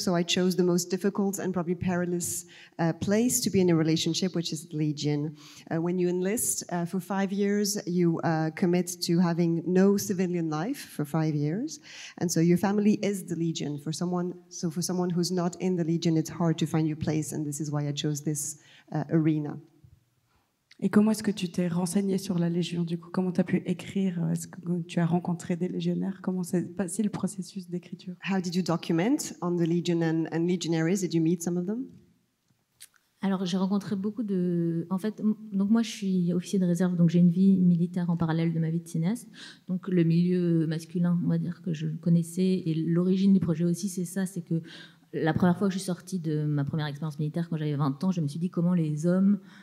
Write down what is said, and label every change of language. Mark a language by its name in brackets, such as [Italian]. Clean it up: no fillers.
[English] So I chose the most difficult and probably perilous place to be in a relationship, which is the Legion. When you enlist for 5 years, you commit to having no civilian life for 5 years. And so your family is the Legion. For someone who's not in the Legion, it's hard to find your place. And this is why I chose this arena. [French] Et comment est-ce que tu t'es renseigné sur la Légion, du coup? Comment tu as pu écrire? Est-ce que tu as rencontré des légionnaires? Comment s'est passé le processus d'écriture? [English] How did you document on the Legion and legionaries? Did you meet some of them? [French] Alors, j'ai rencontré beaucoup de... En fait, donc moi, je suis officier de réserve, donc j'ai une vie militaire en parallèle de ma vie de cinéaste. Donc, le milieu masculin, on va dire, que je connaissais, et l'origine du projet aussi, c'est ça, c'est que la première fois que je suis sortie de ma première expérience militaire, quand j'avais 20 ans, je me suis dit comment les hommes...